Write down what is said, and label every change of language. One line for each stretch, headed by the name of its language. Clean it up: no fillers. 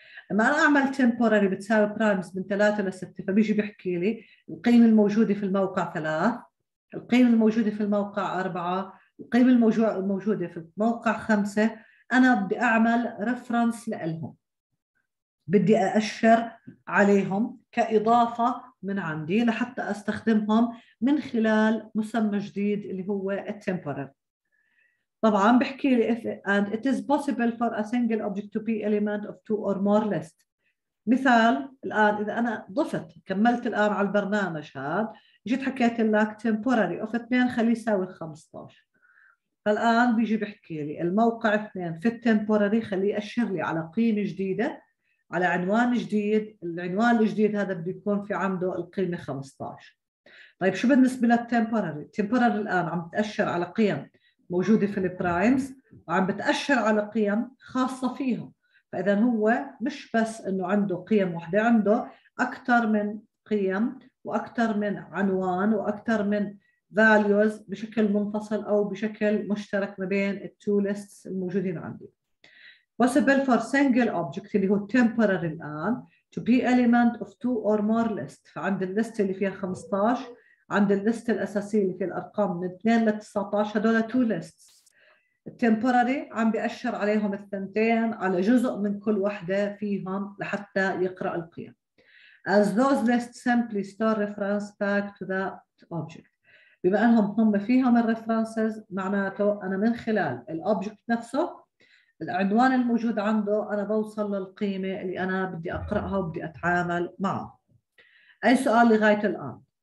Arabic: لما أنا أعمل temporary بتساوي primes من 3 إلى 6، فبيجي بيحكي لي القيم الموجودة في الموقع 3، القيم الموجودة في الموقع 4، القيم الموجودة في الموقع 5. أنا بدي أعمل reference لألهم، بدي أأشر عليهم كإضافة من عندي لحتى أستخدمهم من خلال مسمى جديد اللي هو temporary. طبعاً بحكي لي
English: if and it is possible for a single object to be element of 2 or more list.
Arabic: مثال الآن إذا أنا ضفت كملت الآن على البرنامج هذا، جيت حكيت لك temporary of 2 خليه يساوي 15. فالآن بيجي بحكي لي الموقع 2 في temporary خليه يأشر لي على قيمة جديدة، على عنوان جديد، العنوان الجديد هذا بده يكون في عنده القيمة 15. طيب شو بالنسبة للتمبوراري؟ التمبوراري الآن عم بتأشر على قيم موجودة في البرايمز وعم بتأشر على قيم خاصة فيهم، فإذا هو مش بس أنه عنده قيم واحدة، عنده أكثر من قيم وأكثر من عنوان وأكثر من values بشكل منفصل أو بشكل مشترك ما بين التو ليستس الموجودين عندي.
English: Possible for single object
Arabic: اللي هو temporary الآن
English: to be element of two or more list.
Arabic: فعند الليست اللي فيها 15 عند الليست الأساسية اللي فيها الأرقام من 2 ل 19 هدول two lists. التمبوراري عم بيأشر عليهم الثنتين على جزء من كل واحدة فيهم لحتى يقرأ القيم.
English: As those lists simply store reference back to that object.
Arabic: بما أنهم هم فيهم الريفرنسز معناته أنا من خلال الأوبجكت نفسه العنوان الموجود عنده أنا بوصل للقيمة اللي أنا بدي أقرأها وبدي أتعامل معه. أي سؤال لغاية الآن؟